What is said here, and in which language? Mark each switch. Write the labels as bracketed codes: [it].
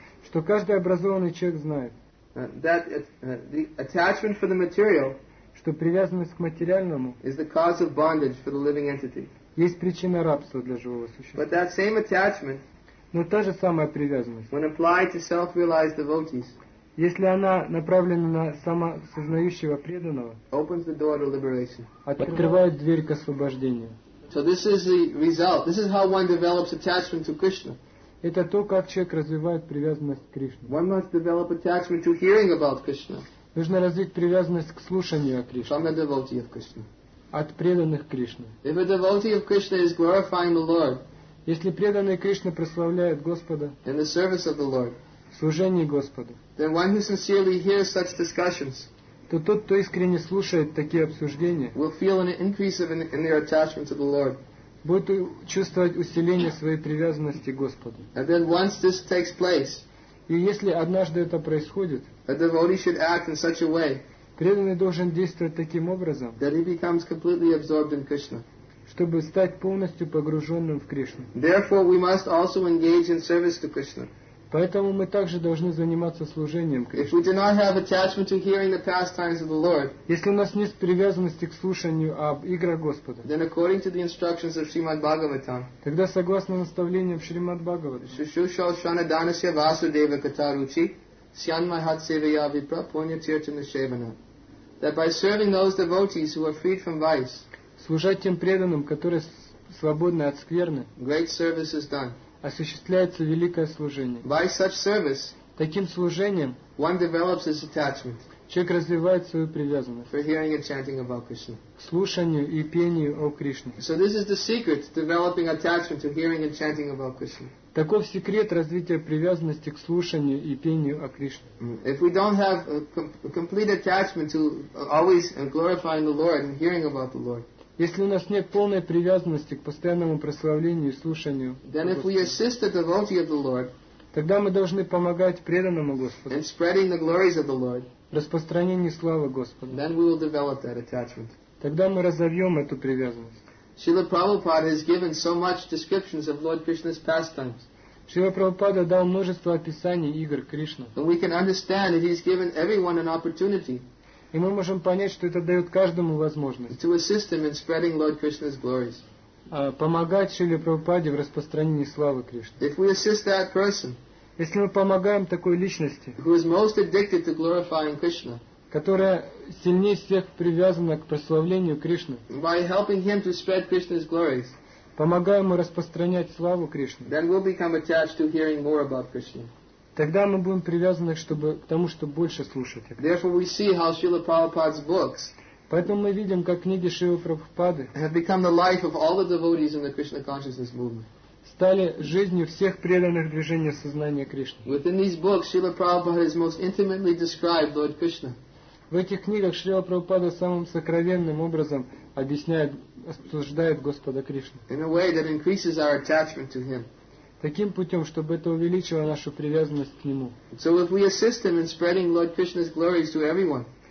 [ru] что каждый образованный человек знает, [en] that the attachment for the material, [ru] что привязанность к материальному, [en] is the cause of bondage for the living entity. [ru] Есть причина рабства для живого существа. [en] But that same attachment, [ru] но та же самая привязанность, [en] when applied to self-realized devotees, [ru] если она направлена на самосознающего преданного, [en] opens the door to liberation. [ru] Открывает дверь к освобождению. [en] So this is the result. This is how one develops attachment to Krishna. [ru] Это то, как человек развивает привязанность к Кришне. [en] One must develop attachment to hearing about Krishna. [ru] Нужно развить привязанность к слушанию о Кришне. [en] From the devotee of Krishna. [ru] От преданных Кришны. [en] If a devotee of Krishna is glorifying the Lord, [ru] если преданный Кришна прославляет Господа, [en] in the service of the Lord, [ru] в служении Господу, [en] then one who sincerely hears such discussions, [ru] то тот, кто искренне слушает такие обсуждения, [en] will feel an increase in their attachment to the Lord. [ru] Будет чувствовать усиление своей привязанности к Господу. [en] And then once this takes place, [ru] и если однажды это происходит, [en] a devotee should act in such a way, [ru] преданный должен действовать таким образом, [en] that he becomes completely absorbed in Krishna, [ru] чтобы стать полностью погруженным в Кришну. [en] Therefore, we must also engage in service to Krishna. [ru] Поэтому мы также должны заниматься служением Кришне. [en] If we do not have attachment to hearing the pastimes of the Lord, [ru] если у нас нет привязанности к слушанию об играх Господа, [en] then according to the instructions of Shrimad Bhagavatam, [ru] тогда согласно наставлениям Шримад Бхагаватам, [sa] Shushushal Shranadanasya Vasudeva Kataruchi Syan Mahat Sevaya Vipra Punya Tirtana Shevana, [en] that by serving those devotees who are freed from vice, [ru] служать тем преданным, которые свободны от скверны, [en] great service is done. [ru] Осуществляется великое служение. [en] By such service, [ru] таким служением, [en] one develops his attachment, [ru] человек развивает свою привязанность, [en] for hearing and chanting about Krishna, [ru] слушанию и пению о Кришне. [en] So this is the secret to developing attachment to hearing and chanting about Krishna. [ru] Таков секрет развития привязанности к слушанию и пению о Кришне. [en] If we don't have a complete attachment to always glorifying the Lord and hearing about the Lord, [ru] если у нас нет полной привязанности к постоянному прославлению и слушанию, [en] then if we assist the devotee of the Lord, [ru] тогда мы должны помогать преданному Господу, [en] in spreading the glories of the Lord, [ru] распространению славы Господа, [en] then we will develop that attachment. [ru] Тогда мы разовьем эту привязанность. [en] Srila Prabhupada has given so much descriptions of Lord Krishna's pastimes. [ru] Шрила Прабхупада дал множество описаний игр Кришны. [en] And we can understand that he's given everyone an opportunity. [ru] И мы можем понять, что это дает каждому возможность [en] to assist him in spreading Lord Krishna's glories. [ru] Помогать Шриле Прабхупаде в распространении славы Кришны. [en] If we assist that person, [ru] если мы помогаем такой личности, [en] who is most addicted to glorifying Krishna, [ru] которая сильнее всех привязана к прославлению Кришны, [en] by helping him to spread Krishna's glories, [ru] помогая ему распространять славу Кришны, [en] then we'll become attached to hearing more about Krishna. [ru] Тогда мы будем привязаны к тому, чтобы больше слушать. [en] Therefore we see how Srila Prabhupada's books, [ru] поэтому мы видим, как книги Шрилы Прабхупады, [en] have become the life of all the devotees in the Krishna consciousness movement, [ru] стали жизнью всех преданных движения сознания Кришны. [en] Within these books, Srila Prabhupada has most intimately described Lord Krishna. [ru] В этих книгах Шрила Прабхупада самым сокровенным образом объясняет, обсуждает Господа Кришну. [en] In a way that increases our attachment to him. [ru] Таким путем, чтобы это увеличило нашу привязанность к Нему. [en] So if we assist him in spreading Lord Krishna's glories to everyone,